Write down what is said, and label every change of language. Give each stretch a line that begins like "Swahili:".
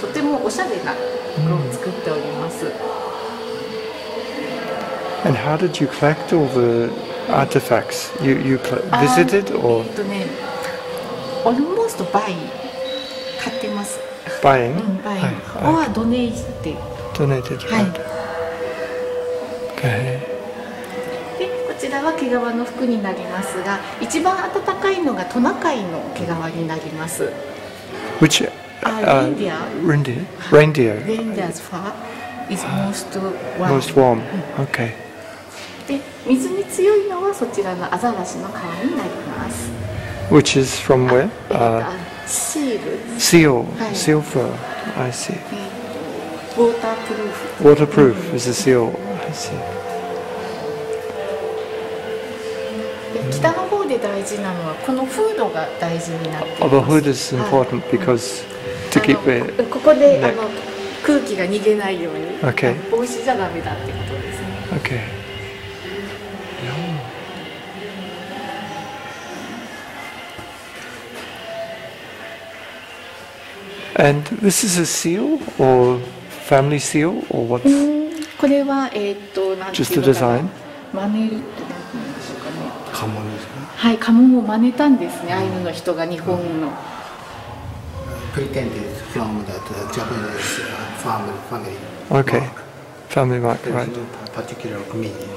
Japanese: で、北というと暗いイメージがありますけれども、いろいろ装飾を施すなどして、とてもおしゃれな服を作っております。
English: And how did you collect all the artifacts? You visited or? Almost by
Japanese: 買ってます。
English: Buying? Buying. Or donated. Donated, right. Okay.
Japanese: こちらは毛皮の服になりますが、一番暖かいのがトナカイの毛皮になります。
English: Which? Reindeer. Reindeer. Reindeer's fur is most warm. Most warm. Okay.
Japanese: で、水に強いのはそちらのアザラシの皮になります。
English: Which is from where? Seal. Seal. Seal fur. I see. Waterproof. Waterproof is a seal. I see.
Japanese: 大事なのはこのフードが大事になっています
English: Oh, the hood is important because to keep it.
Japanese: ここで空気が逃げないように。
English: Okay.
Japanese: 帽子じゃダメだってことですね。
English: Okay. And this is a seal or family seal or what?
Japanese: これは
English: Just the design.
Japanese: マネルって何でしょうかね。家紋ですか。はい、家紋を真似たんですね、アイヌの人が日本の。
English: Pretended from that Japanese family mark. Okay, family mark, right. Particular meaning.